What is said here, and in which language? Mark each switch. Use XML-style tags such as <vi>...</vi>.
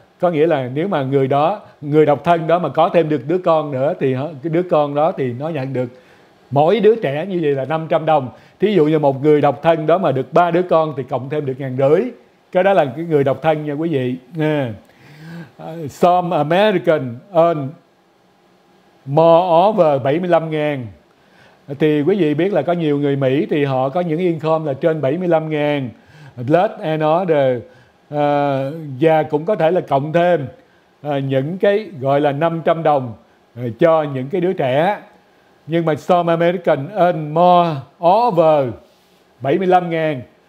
<vi>Có nghĩa là nếu mà người đó, người độc thân đó mà có thêm được đứa con nữa thì đứa con đó thì nó nhận được mỗi đứa trẻ như vậy là 500 đồng. Thí dụ như một người độc thân đó mà được 3 đứa con thì cộng thêm được 1.500. Cái đó là cái người độc thân nha quý vị.</vi> <en>Some American earn more over 75.000.</en> <vi>Thì quý vị biết là có nhiều người Mỹ thì họ có những income là trên 75.000.</vi> <en>Plus another.</en> <vi>Và cũng có thể là cộng thêm những cái gọi là 500 đồng cho những cái đứa trẻ. Nhưng mà</vi> <en>some American earn more over 75.000.</en>